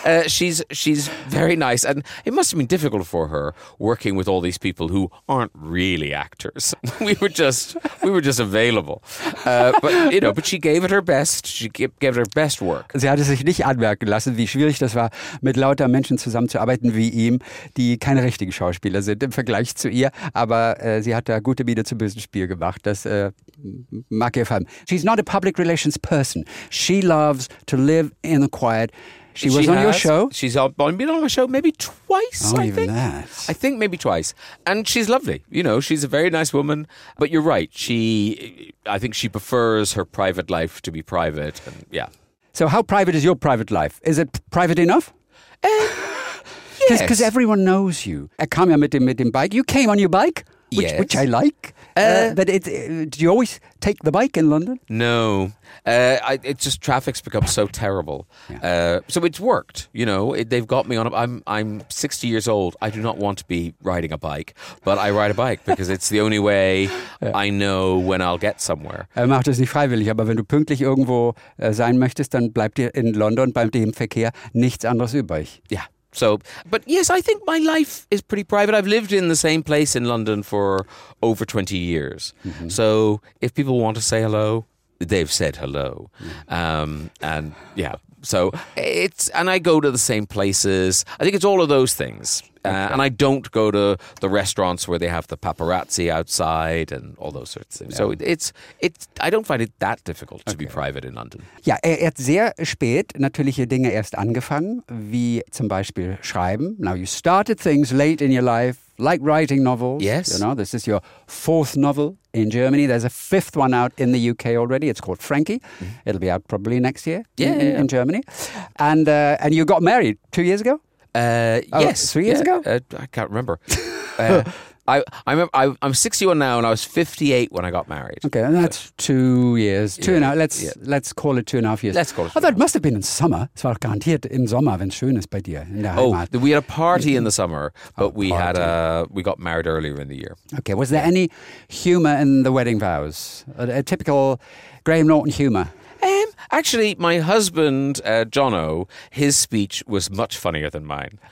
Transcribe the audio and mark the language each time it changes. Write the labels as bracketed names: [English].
[English] She's very nice, and it must have been difficult for her working with all these people who aren't really actors. We were just available, but she gave it her best. She gave it her best work. [German] Sie hatte sich nicht anmerken lassen, wie schwierig das war, mit lauter Menschen zusammenzuarbeiten wie ihm, die keine richtigen Schauspieler sind im Vergleich zu ihr. Aber sie hat da gute Miene zum bösen Spiel gemacht. Das mag ihr fallen. [English] She's not a public relations person. She loves to live in the quiet. She was on your show. She's been on my show maybe twice, oh, I even think. That. I think maybe twice. And she's lovely. You know, she's a very nice woman. But you're right. I think she prefers her private life to be private. And yeah. So how private is your private life? Is it private enough? Yes. Because everyone knows you. I come here [German] mit dem [English] bike. You came on your bike? Which I like. Did you always take the bike in London? No. It's just traffic's become so terrible. Yeah. So it's worked, you know. They've got me on a bike. I'm 60 years old. I do not want to be riding a bike, but I ride a bike because it's the only way I know when I'll get somewhere. [German] Er macht das nicht freiwillig, aber wenn du pünktlich irgendwo sein möchtest, dann bleibt dir in London beim dem Verkehr nichts anderes übrig. [English] Yeah. So, but yes, I think my life is pretty private. I've lived in the same place in London for over 20 years. Mm-hmm. So if people want to say hello, they've said hello. Mm-hmm. And I go to the same places. I think it's all of those things. Okay. And I don't go to the restaurants where they have the paparazzi outside and all those sorts of things. Yeah. So I don't find it that difficult to be private in London. [German] Ja, er hat sehr spät natürliche Dinge erst angefangen, wie zum Beispiel schreiben. [English] Now you started things late in your life, like writing novels. Yes. You know, this is your fourth novel in Germany. There's a fifth one out in the UK already. It's called Frankie. Mm-hmm. It'll be out probably next year in Germany. And you got married 2 years ago? Yes. 3 years ago? I can't remember. I'm 61 now, and I was 58 when I got married. Okay, and that's so. 2 years. Let's call it 2.5 years. Let's call it. Oh, that must have been in summer. [German] Es war garantiert im Sommer, wenn es schön ist bei dir in der Heimat. [English] Oh, we had a party in the summer, but we got married earlier in the year. Okay, was there any humor in the wedding vows? A typical Graham Norton humor. Actually, my husband, Jono, his speech was much funnier than mine.